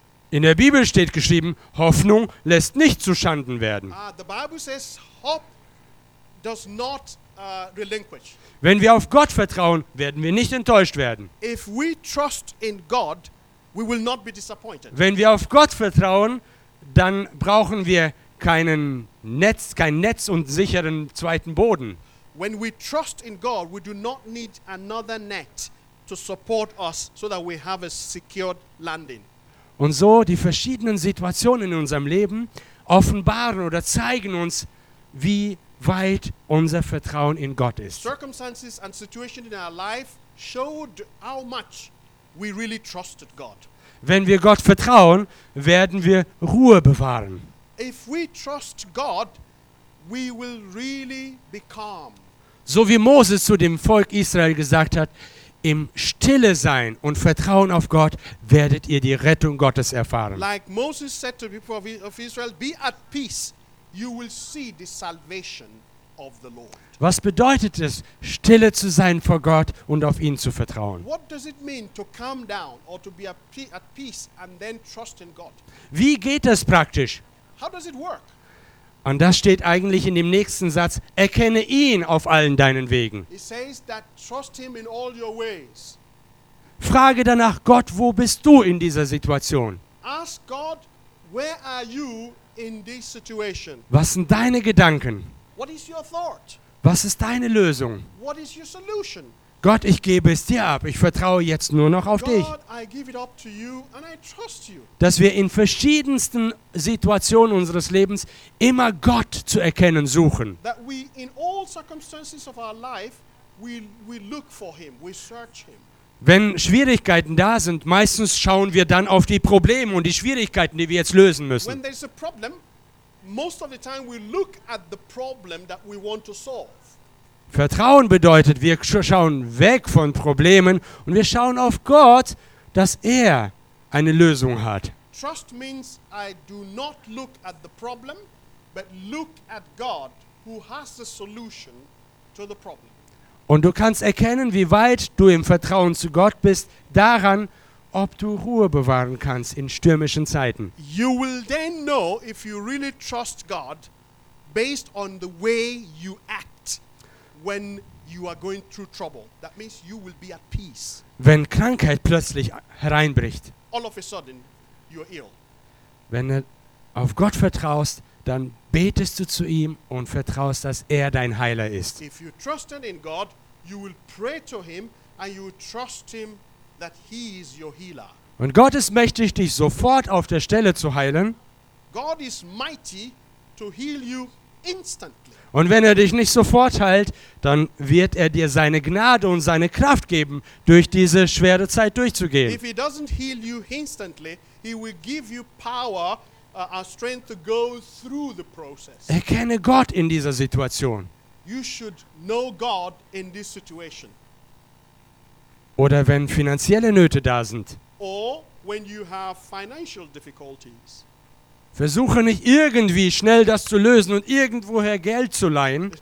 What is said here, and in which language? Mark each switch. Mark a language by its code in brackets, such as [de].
[de] In der Bibel steht geschrieben, Hoffnung lässt nicht zu Schanden werden. [en] The Bible says, hope does not relinquish. [de] Wenn wir auf Gott vertrauen, werden wir nicht enttäuscht werden. [en] If we trust in God, we will not be disappointed. [de] Wenn wir auf Gott vertrauen, dann brauchen wir kein Netz und sicheren zweiten Boden. [en] When we trust in God, we do not need another net to support us so that we have a secured landing. [de] Und so die verschiedenen Situationen in unserem Leben offenbaren oder zeigen uns, wie weit unser Vertrauen in Gott ist. [en] Circumstances and situations in our life showed how much we really trusted God. [de] Wenn wir Gott vertrauen, werden wir Ruhe bewahren. [en] If we trust God, we will really be calm. [de] So wie Moses zu dem Volk Israel gesagt hat, im Stille sein und Vertrauen auf Gott werdet ihr die Rettung Gottes erfahren. [en] Like Moses said to the people of Israel, be at peace. You will see the salvation of the Lord. [de] Was bedeutet es, stille zu sein vor Gott und auf ihn zu vertrauen? [en] What does it mean to calm down or to be at peace and then trust in God? [de] Wie geht das praktisch? [en] How does it work? [de] Und das steht eigentlich in dem nächsten Satz: Erkenne ihn auf allen deinen Wegen. [en] It says that trust him in all your ways. [de] Frage danach, Gott, wo bist du in dieser Situation? [en] Ask God, where are you in this situation? [de] Was sind deine Gedanken? [en] What is your thought? [de] Was ist deine Lösung? [en] What is your solution? [de] Gott, ich gebe es dir ab. Ich vertraue jetzt nur noch auf dich. [en] I give it up to you and I trust you. [de] Dass wir in verschiedensten Situationen unseres Lebens immer Gott zu erkennen suchen. [en] That we in all circumstances of our life we look for him, we search him. [de] Wenn Schwierigkeiten da sind, meistens schauen wir dann auf die Probleme und die Schwierigkeiten, die wir jetzt lösen müssen. [en] When there's a problem, most of the time we look at the problem that we want to solve. [de] Vertrauen bedeutet, wir schauen weg von Problemen und wir schauen auf Gott, dass er eine Lösung hat. [en] Trust means I do not look at the problem, but look at God who has the solution to the problem. [de] Und du kannst erkennen, wie weit du im Vertrauen zu Gott bist, daran, ob du Ruhe bewahren kannst in stürmischen Zeiten. [en] You will then know if you really trust God based on the way you act when you are going through trouble. That means you will be at peace. [de] Wenn Krankheit plötzlich hereinbricht. [en] All of a sudden you're ill. [de] Wenn du auf Gott vertraust, dann betest du zu ihm und vertraust, dass er dein Heiler ist. [en] If you trust in God, you will pray to him and you will trust him that he is your healer. [de] Und Gott ist mächtig, dich sofort auf der Stelle zu heilen. [en] God is mighty to heal you instantly. [de] Und wenn er dich nicht sofort heilt, dann wird er dir seine Gnade und seine Kraft geben, durch diese schwere Zeit durchzugehen. [en] If he doesn't heal you instantly, he will give you power. Our strength to go through the process. [de] Erkenne Gott in dieser Situation. [en] You should know God in this situation. [de] Oder wenn finanzielle Nöte da sind. [en] Or when you have financial difficulties. [de] Versuche nicht irgendwie schnell das zu lösen und irgendwoher Geld zu leihen.